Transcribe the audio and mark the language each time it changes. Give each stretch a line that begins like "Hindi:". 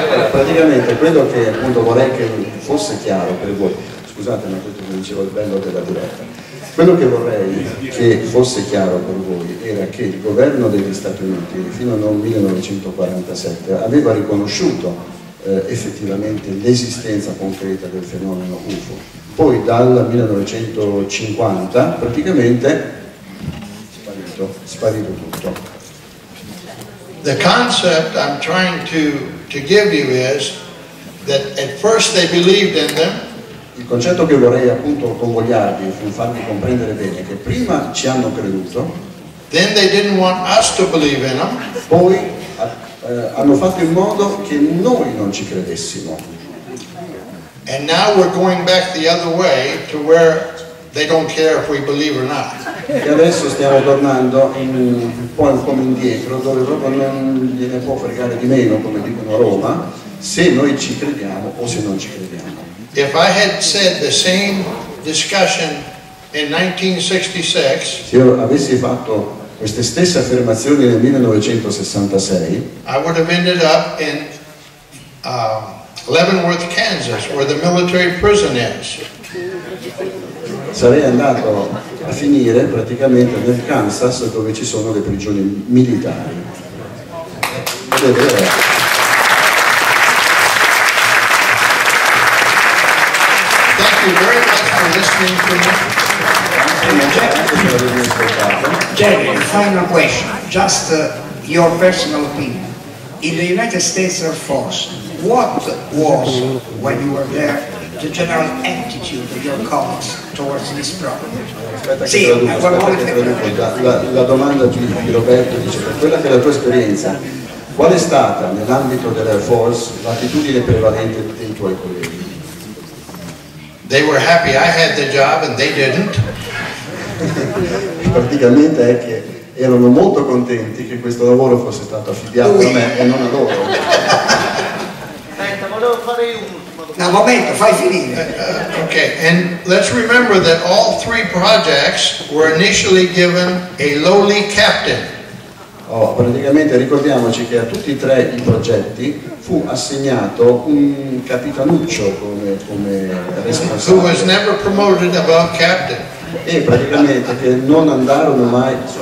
Italian: Praticamente quello che appunto vorrei che fosse chiaro per voi, scusate ma questo che dicevo il bello della diretta, quello che vorrei che fosse chiaro per voi era che il governo degli Stati Uniti fino al 1947 aveva riconosciuto effettivamente l'esistenza concreta del fenomeno UFO, poi dal 1950 praticamente sparito tutto.
English: The concept I'm trying to give you is that at first they believed in them.
Italian: Il concetto che vorrei appunto convogliarvi e farvi comprendere bene è che prima ci hanno creduto.
English: Then they didn't want us to believe in them.
Italian: Poi hanno fatto in modo che noi non ci credessimo.
English: And now we're going back the other way to where they don't care if we believe or not.
Italian: E adesso stiamo tornando in un po' come indietro, dove proprio non gliene può fregare di meno, come dicono a Roma, se noi ci crediamo o se non ci crediamo.
English: If I had said the same discussion in 1966,
Italian: se io avessi fatto queste stesse affermazioni nel 1966,
English: I would have ended up in Leavenworth, Kansas, where the military prison is.
Italian: Sarei andato a finire praticamente nel Kansas dove ci sono le prigioni militari.
English: Thank you very much for listening to me. Jerry, final question. Just your personal opinion. In the United States Air Force, what was when you were there? The general attitude of your colleagues towards this problem.
Italian: Sì, la domanda di Roberto dice, per quella che è la tua esperienza, qual è stata nell'ambito dell'Air Force l'attitudine prevalente dei tuoi colleghi?
English: They were happy I had the job and they didn't.
Italian: Praticamente è che erano molto contenti che questo lavoro fosse stato affidato a me e non a loro. Aspetta, volevo fare uno. No, momento, fai finire.
English: Okay, and let's remember that all three projects were initially given a lowly captain.
Italian: Oh, praticamente ricordiamoci che a tutti e tre i progetti fu assegnato un capitanuccio come responsabile.
English: Who was never promoted above captain.
Italian: E praticamente che non andarono mai.